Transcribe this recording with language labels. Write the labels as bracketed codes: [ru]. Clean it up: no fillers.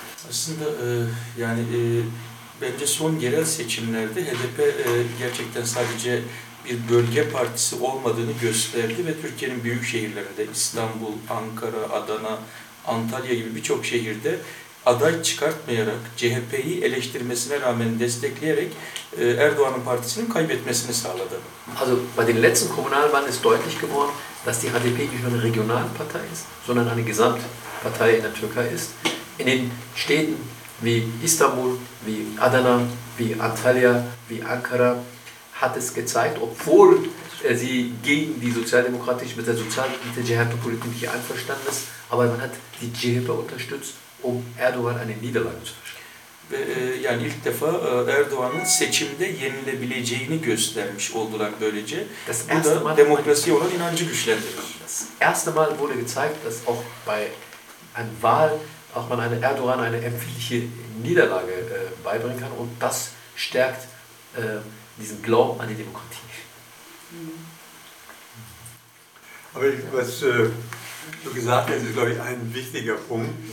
[tr] Aslında yani bence son yerel seçimlerde HDP gerçekten sadece bir bölge partisi olmadığını gösterdi ve Türkiye'nin büyük şehirlerinde İstanbul, Ankara, Adana, Antalya gibi birçok şehirde aday çıkartmayarak CHP'yi eleştirmesine rağmen destekleyerek Erdoğan'ın partisinin kaybetmesini sağladı. [de] Also bei den letzten Kommunalwahlen ist deutlich geworden, dass die HDP nicht nur eine Regionalpartei ist, sondern eine Gesamtpartei in der Türkei ist. In den Städten wie Istanbul, wie Adana, wie Antalya, wie Ankara hat es gezeigt, obwohl sie gegen die sozialdemokratische, mit der CHP-Politik hier einverstanden ist, aber man hat die CHP unterstützt, um Erdoğan eine Niederlage zu verschaffen. [tr] Yani ilk defa Erdoğan'ın seçimde yenilebileceğini göstermiş oldular böylece. [de] Das erste Mal, [tr] bu da demokrasiye olan inancı güçlendirir. [de] Das erste Mal wurde gezeigt, dass auch bei einer Wahl auch man eine Erdoğan eine empfindliche Niederlage beibringen kann und das stärkt diesen Glauben an die Demokratie. Aber ich, was du gesagt hast, ist, glaube ich, ein wichtiger Punkt.